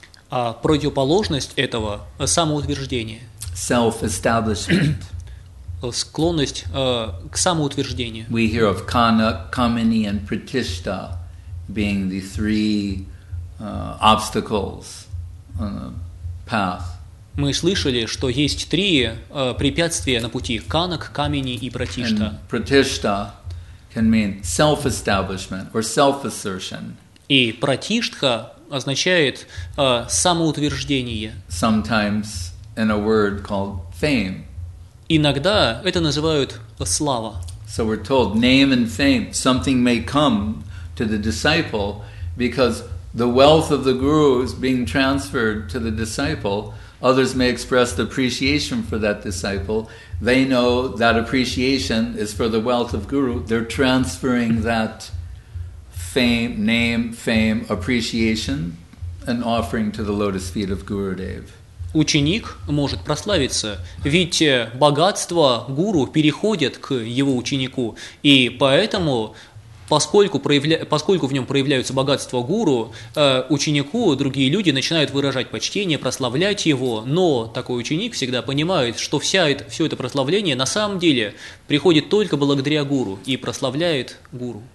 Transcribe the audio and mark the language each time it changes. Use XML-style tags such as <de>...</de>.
<ru>А противоположность этого – самоутверждение.</ru> <en>Self-establishment.</en> <ru>Склонность к самоутверждению.</ru> <en>We hear of Kana, Kamini, and Pratishta being the three obstacles on the path.</en> <ru>Мы слышали, что есть три препятствия на пути: Канак, Камини и Пратишта.</ru> <en>And Pratishta can mean self-establishment or self-assertion.</en> <ru>И Пратишта означает самоутверждение.</ru> <en>Sometimes in a word called fame.</en> <ru>Иногда это называют слава.</ru> <en>So we're told name and fame, something may come to the disciple because the wealth of the guru is being transferred to the disciple. Others may express the appreciation for that disciple. They know that appreciation is for the wealth of guru. They're transferring that fame, name, fame, appreciation, and offering to the lotus feet of Gurudev.</en> <ru>ученик может прославиться, ведь богатство гуру переходит к его ученику, и поэтому, поскольку в нем проявляются богатства гуру, ученику другие люди начинают выражать почтение, прославлять его, но такой ученик всегда понимает, что все это прославление на самом деле приходит только благодаря гуру и прославляет гуру.</ru>